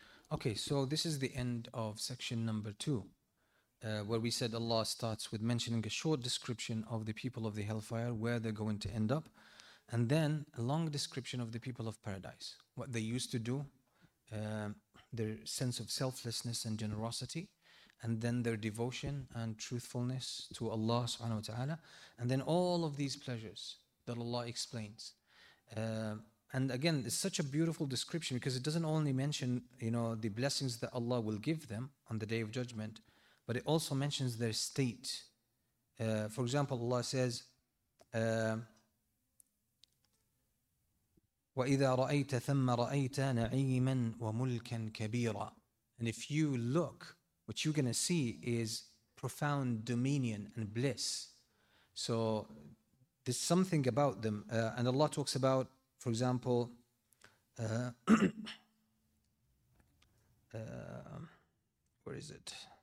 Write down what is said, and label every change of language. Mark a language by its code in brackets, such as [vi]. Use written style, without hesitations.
[en] Okay, so this is the end of section number 2, where we said Allah starts with mentioning a short description of the people of the hellfire, where they're going to end up, and then a long description of the people of paradise, what they used to do, their sense of selflessness and generosity, and then their devotion and truthfulness to Allah subhanahu wa ta'ala, and then all of these pleasures that Allah explains. And again, it's such a beautiful description, because it doesn't only mention, you know, the blessings that Allah will give them on the Day of Judgment, but it also mentions their state. For example, Allah says, [ar] وَإِذَا رَأَيْتَ ثَمَّ رَأَيْتَ نَعِيمًا وَمُلْكًا كَبِيرًا. [en] And if you look, what you're going to see is profound dominion and bliss. So there's something about them. And Allah talks about, for example, where is it?